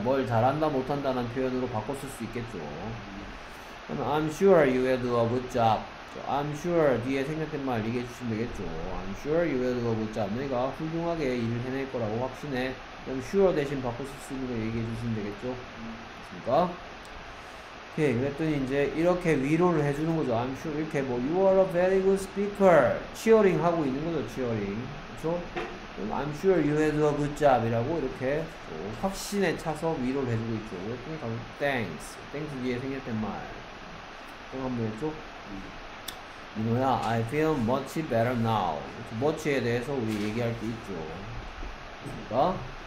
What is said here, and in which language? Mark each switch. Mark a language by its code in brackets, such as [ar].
[ko] 뭘 잘한다, 못한다는 표현으로 바꿨을 수 있겠죠. [en] I'm sure you will do a good job. [ko] I'm sure 뒤에 생략된 말 얘기해 주시면 되겠죠. [en] I'm sure you will do a good job. [ko] 내가 훌륭하게 일을 해낼 거라고 확신해. 그럼 sure 대신 바꿀 수 있는 거 얘기해 주시면 되겠죠. 그렇습니까? 오케이, 그랬더니 이제 이렇게 위로를 해주는 거죠. [en] I'm sure [ko] 이렇게 뭐 [en] you are a very good speaker. [ko] 치어링 하고 있는 거죠, 치어링. 그렇죠? [en] I'm sure you will do a good job [ko] 이라고 이렇게 확신에 차서 위로를 해주고 있죠. 그랬더니 가면 thanks 뒤에 생략된 말. 그럼 한번 해줘. 민호야, [en] I feel much better now. [ko] much에 대해서 우리 얘기할 게 있죠. 그렇습니까?